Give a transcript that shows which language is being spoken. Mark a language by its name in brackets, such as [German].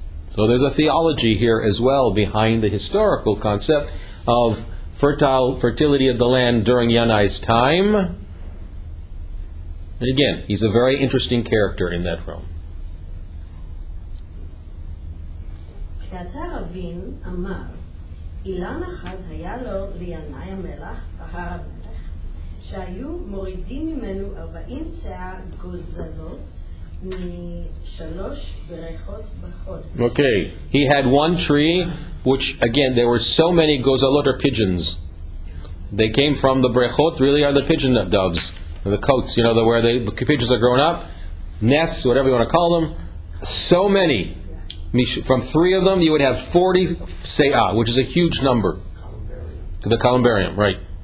[English] So there's a theology here as well behind the historical concept of fertility of the land during Yanai's time. And again, he's a very interesting character in that realm. [Hebrew] שהיו מורידים ממנו 40 שיער גוזלות משלוש בריכות בחודש. [English] Okay, he had one tree, which again, there were so many gozalot or pigeons. They came from the brechot, really are the pigeon doves, the coats, you know, the, where the pigeons are grown up, nests, whatever you want to call them. So many. From three of them, you would have 40 se'ah, which is a huge number. The columbarium, right.